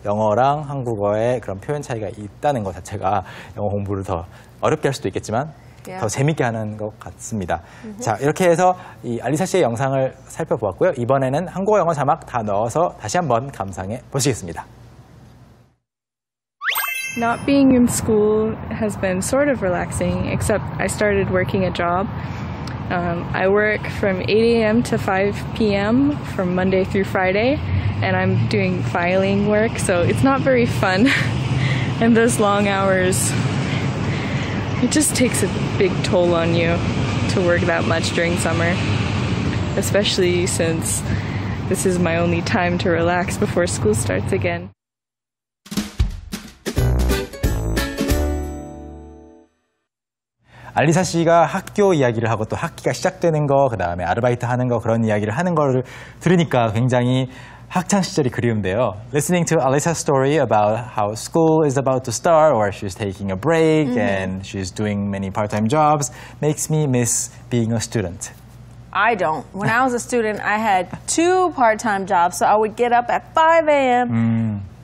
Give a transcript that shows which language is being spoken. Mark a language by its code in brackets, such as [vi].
[ko] 영어랑 한국어의 그런 표현 차이가 있다는 것 자체가 영어 공부를 더 어렵게 할 수도 있겠지만 [en] Yeah. [ko] 더 재밌게 하는 것 같습니다. Mm-hmm. 자, 이렇게 해서 이 알리사 씨의 영상을 살펴보았고요. 이번에는 한국어 영어 자막 다 넣어서 다시 한번 감상해 보시겠습니다. [en] Not being in school has been sort of relaxing, except I started working a job. I work from 8 a.m. to 5 p.m. from Monday through Friday, and I'm doing filing work, so it's not very fun in those long hours. It just takes a big toll on you to work that much during summer, especially since this is my only time to relax before school starts again. [ko] Alisa 씨가 학교 이야기를 하고 또 학기가 시작되는 거, 그 다음에 아르바이트 하는 거 그런 이야기를 하는 거를 들으니까 굉장히 학창 시절이 그리운데요. [en] Listening to Alisa's story about how school is about to start or she's taking a break mm-hmm. and she's doing many part-time jobs makes me miss being a student. I don't. When I was a student, I had two part-time jobs. So I would get up at 5 a.m., mm.